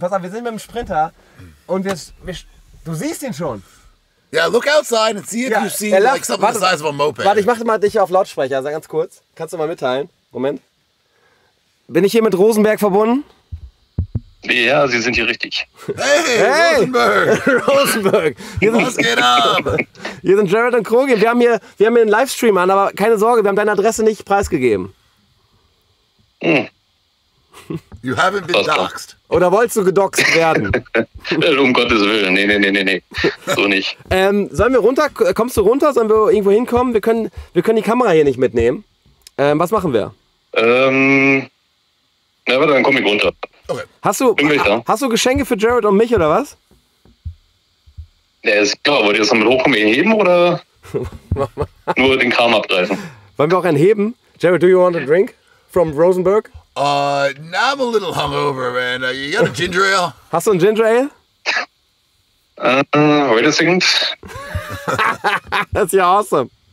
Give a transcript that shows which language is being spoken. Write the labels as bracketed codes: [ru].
[de] Pass auf, wir sind mit dem Sprinter und du siehst ihn schon. [en] Yeah, look outside and see if you see like something the size of a moped. [de] Warte, ich mach mal dich auf Lautsprecher, also ganz kurz. Kannst du mal mitteilen? Moment. Bin ich hier mit Rosenberg verbunden? Ja, Sie sind hier richtig. Hey, Rosenberg! Rosenberg! Was geht ab? Hier sind Jared und Krogi. Wir haben hier einen Livestream an, aber keine Sorge, wir haben deine Adresse nicht preisgegeben. [en] You haven't been doxed. [de] Oder wolltest du gedoxt werden? Um Gottes Willen, nee. So nicht. Sollen wir runter? Kommst du runter? Sollen wir irgendwo hinkommen? Wir können die Kamera hier nicht mitnehmen. Was machen wir? Na, warte, dann komm ich runter. Okay. Hast du Geschenke für Jared und mich oder was? Ja, ist klar. Wollt ihr das nochmal hochkommen und heben oder? Nur den Kram abgreifen. Wollen wir auch einen heben? [en] Jared, do you want a drink from Rosenberg? Now I'm a little hungover, man. You got a ginger ale? [de] Hast du ein Ginger Ale? [en] Wait a second. That's ja awesome.